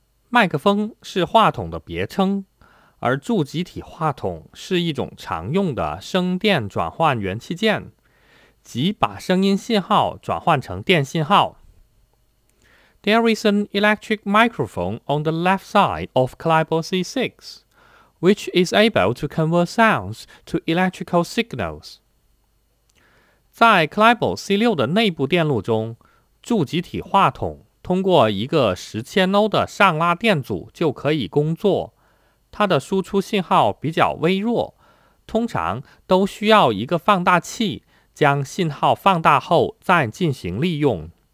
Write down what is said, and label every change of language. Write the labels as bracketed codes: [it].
[zh] 麦克风是话筒的别称，而助极体话筒是一种常用的声电转换元器件，即把声音信号转换成电信号。 [en] There is an electric microphone on the left side of clybot C6, which is able to convert sounds to electrical signals. [zh] 在 clybot C6 的内部电路中，助极体话筒通过一个10千欧的上拉电阻就可以工作。它的输出信号比较微弱，通常都需要一个放大器将信号放大后再进行利用。